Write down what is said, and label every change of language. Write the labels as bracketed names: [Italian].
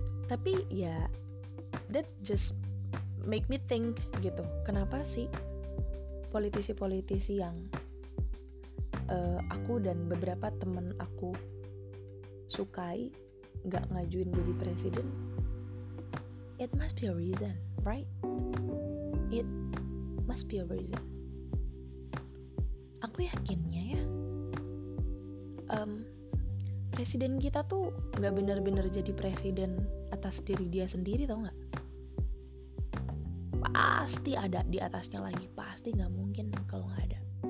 [Indonesian] Tapi ya, [English] that just make me think [Indonesian] gitu. Kenapa sih politisi-politisi yang aku dan beberapa temen aku sukai gak ngajuin jadi presiden? [English] It must be a reason, right? It must be a reason. [Indonesian] Aku yakinnya ya, presiden kita tuh gak benar-benar jadi presiden atas diri dia sendiri, tau gak? Pasti ada di atasnya lagi, pasti gak mungkin kalau gak ada.